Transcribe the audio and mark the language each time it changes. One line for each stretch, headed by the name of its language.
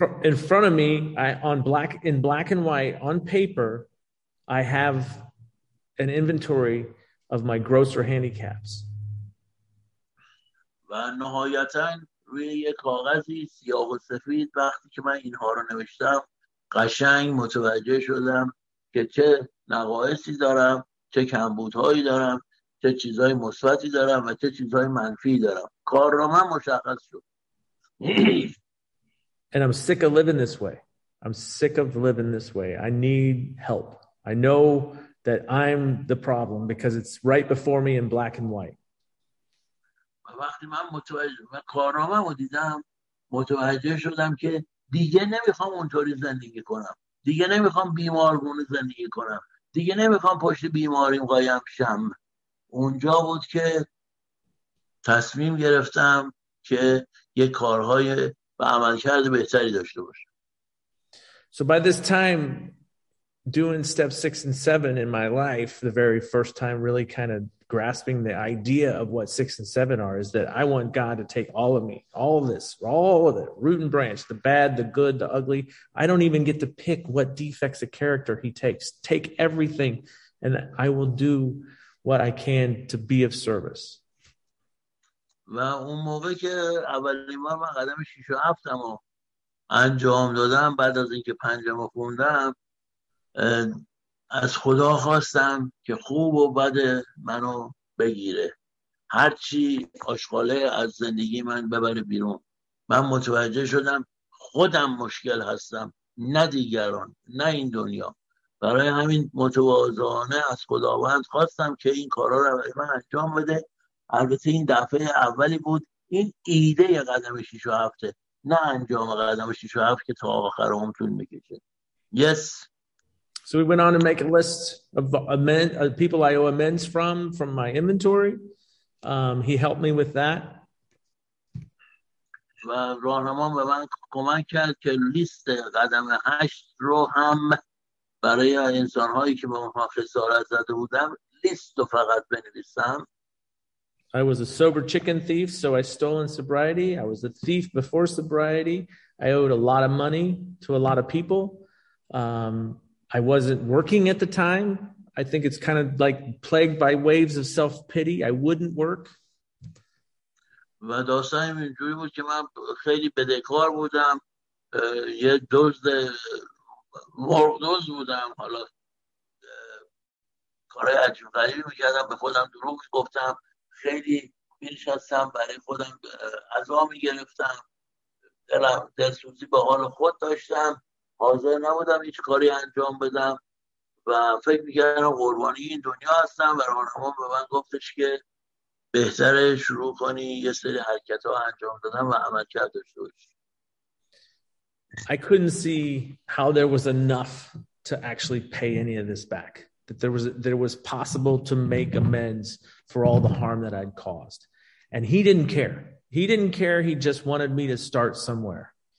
English: In front of me, in black and white on paper, I have an inventory of my grosser handicaps.
Persian: و نهایتاً روی یه کاغذی سیاه و سفید وقتی که من اینها رو نوشتم قشنگ متوجه شدم که چه نقایصی دارم، چه کمبودهایی دارم، چه چیزهای مثبتی دارم و چه چیزهای منفی دارم. کار رو من مشخص شد.
English: And I'm sick of living this way. I'm sick of living this way. I need help. I know that I'm the problem because it's right before me in black and white.
Persian: وقتی من متوجه و کارنامه‌مو دیدم متوجه شدم که دیگه نمیخوام اونطوری زندگی کنم، دیگه نمیخوام بیمارگونه زندگی کنم، دیگه نمیخوام پشت بیماریم قایم شم. اونجا بود که تصمیم گرفتم که یه کارهای و عملکرد بهتری داشته باشم.
English: So by this time doing step 6 and 7 in my life the very first time really kind of grasping the idea of what 6 and 7 are is that I want God to take all of me, all of this, all of it, root and branch, the bad, the good, the ugly. I don't even get to pick what defects of character he takes. Take everything and I will do what I can to be of service.
Persian: و اون موقع که اولین بار من قدم 6 و 7 رو انجام دادم بعد از اینکه 5 رو خوندم از خدا خواستم که خوب و بد منو بگیره، هرچی آشغاله از زندگی من ببره بیرون. من متوجه شدم خودم مشکل هستم، نه دیگران، نه این دنیا. برای همین متواضعانه از خداوند خواستم که این کارا رو برای من انجام بده. البته این دفعه اولی بود این ایده قدم 6 و 7 نه انجام قدم 6 و 7 که تا آخر عمر طول میکشه.
English: Yes. So we went on to make a list of people I owe amends from my inventory. He helped me with that.
Persian: و راهنمام به من کمک کرد که لیست قدم 8 رو هم برای انسان‌هایی که به من خسارت زده بودم لیست رو فقط بنویسم.
English: I was a sober chicken thief, so I stole in sobriety. I was a thief before sobriety. I owed a lot of money to a lot of people. I wasn't working at the time. I think it's kind of like plagued by waves of self-pity. I wouldn't work.
Persian: و داستانم اینجوری بود که من خیلی بدهکار بودم، یه دزد مرغ دزد بودم، حالا کارهای عجیب غریبی میکردم، به خودم دروغ گفتم، خیلی می‌نشستم برای خودم عذاب میگرفتم، دلسوزی به حال خود داشتم، حاضر نبودم هیچ کاری انجام بدم و فکر میکردم قربانی این دنیا هستم. و راهنما به من گفتش که بهتره شروع کنی یه سری حرکت ها انجام دادن و عمل کرد داشته باشی.
English: I couldn't see how there was enough to actually pay any of this back. That there was possible to make amends for all the harm that I'd caused. And he didn't care. He didn't care. He just wanted me to start somewhere.